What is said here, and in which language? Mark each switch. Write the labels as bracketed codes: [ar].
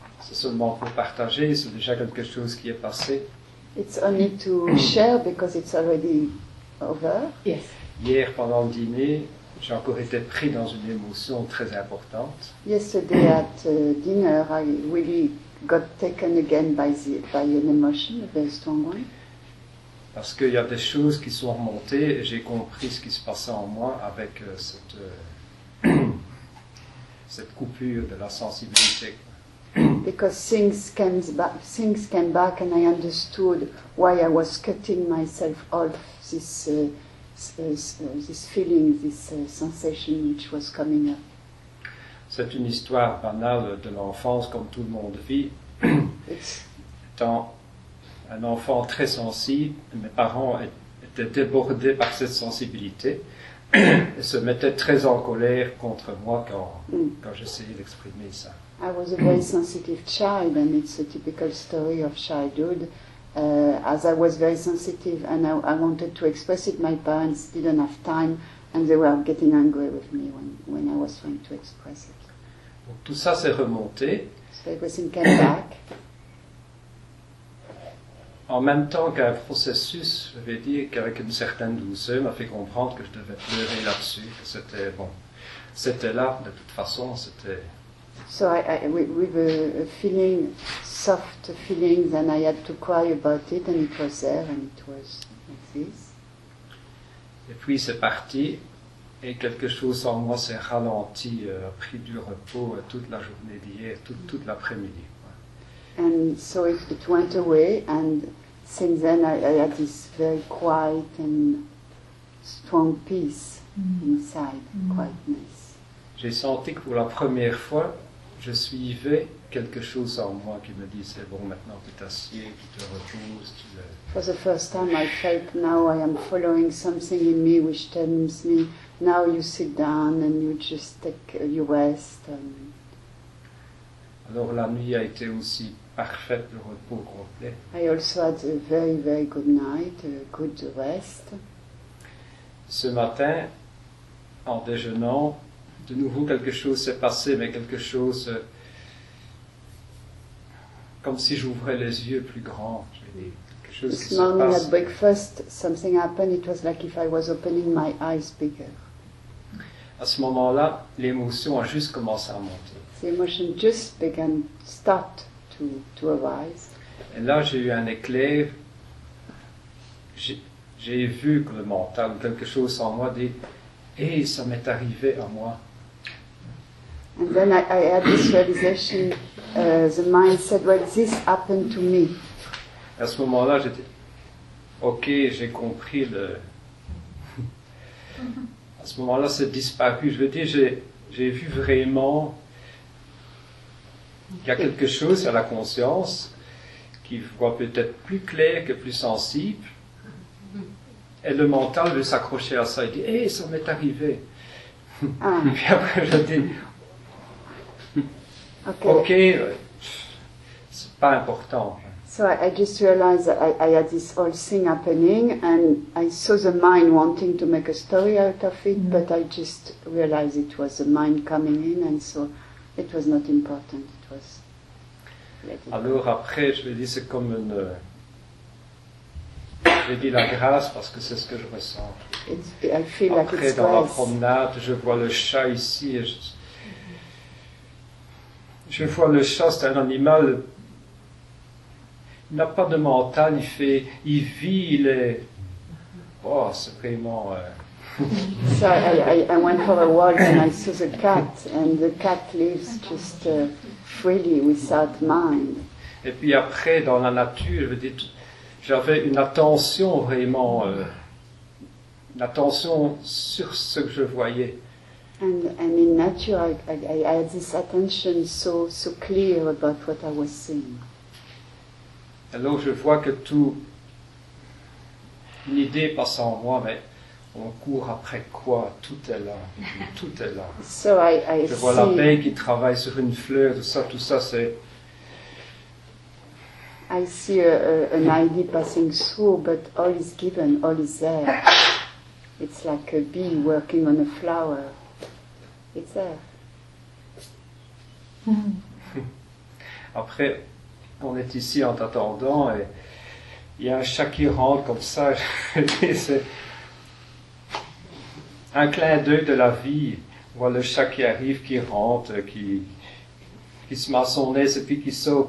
[fr] Seulement pour partager, c'est déjà quelque chose qui est passé. [en] It's only to share because it's already over. Yes. [fr] Hier, pendant le dîner, j'ai encore été pris dans une émotion très importante. [en] Yesterday at dinner, I really got taken again by an emotion, a very strong one. [fr] Parce qu'il y a des choses qui sont remontées et j'ai compris ce qui se passait en moi avec cette coupure de la sensibilité. [en] Because things came back and I understood why I was cutting myself off this feeling, this sensation which was coming up. [fr] C'est une histoire banale de l'enfance comme tout le monde vit. Étant un enfant très sensible, mes parents étaient débordés par cette sensibilité et se mettaient très en colère contre moi quand j'essayais d'exprimer ça. [en] I was a very sensitive child, and it's a typical story of childhood. As I was very sensitive, and I wanted to express it, my parents didn't have time, and they were getting angry with me when I was trying to express it. [fr] Donc, tout ça s'est remonté. [en] So everything came back. [fr] en même temps qu'un processus, je vais dire qu'avec une certaine douceur, m'a fait comprendre que je devais pleurer là-dessus, que c'était bon. C'était là, de toute façon, c'était... [en] So I, with a feeling, soft feelings, and I had to cry about it, and it was there, and it was like this. [fr] Et puis c'est parti, et quelque chose en moi s'est ralenti, pris du repos toute la journée d'hier, toute l'après-midi. [en] And so it went away, and since then I had this very quiet and strong peace inside, quietness. [fr] J'ai senti que pour la première fois, je suivais quelque chose en moi qui me dit, c'est bon, maintenant tu t'assieds, tu te reposes, tu le... [en] For the first time I felt, now I am following something in me which tells me, now you sit down and you just take, you rest. [fr] Alors la nuit a été aussi parfaite, le repos complet. [en] I also had a very, very good night, a good rest. [fr] Ce matin, en déjeunant, de nouveau quelque chose s'est passé, mais quelque chose comme si j'ouvrais les yeux plus grands. Quelque chose [en] this morning at breakfast, something happened, it was like if I was opening my eyes bigger. [fr] À ce moment-là, l'émotion a juste commencé à monter. [en] The emotion just began, start to arise. [fr] Et là, j'ai eu un éclair. J'ai vu que le mental, quelque chose en moi, dit, hey, ça m'est arrivé à moi. [en] And then I had this realization, the mind said, well, this happened to me. [fr] À ce moment-là, j'ai dit, ok, j'ai compris le... À ce moment-là, c'est disparu. Je veux dire, j'ai vu vraiment... Il y a quelque chose à la conscience qui voit peut-être plus clair que plus sensible. Et le mental veut s'accrocher à ça. Il dit, hé, ça m'est arrivé. Ah. Et puis après, je dis, okay, c'est pas important. [en] So I just realized that I had this whole thing happening and I saw the mind wanting to make a story out of it, but I just realized it was the mind coming in and so it was not important. [fr] Alors après, je lui ai dit, c'est comme une... Je lui ai dit la grâce parce que c'est ce que je ressens. Après, dans la promenade, je vois le chat ici. Je vois le chat, c'est un animal. Il n'a pas de mental, il vit, il est... Oh, c'est vraiment... [en] So I went for a walk and I saw the cat and the cat lives just freely without mind. [fr] Et puis après dans la nature, je veux dire, j'avais une attention vraiment, une attention sur ce que je voyais. [en] And in nature, I had this attention so clear about what I was seeing. [fr] Alors je vois que tout, une idée passe en moi, mais on court après quoi? Tout est là. Tout est là. [en] So I [fr] je vois l'abeille qui travaille sur une fleur, tout ça, c'est... [en] I see an idea passing through, but all is given, all is there. It's like a bee working on a flower. It's there. [fr] Après, on est ici en t'attendant, et il y a un chat qui rentre comme ça, c'est... Un clin d'œil de la vie, voit le chat qui arrive, qui rentre, qui se met à son aise et puis qui sort.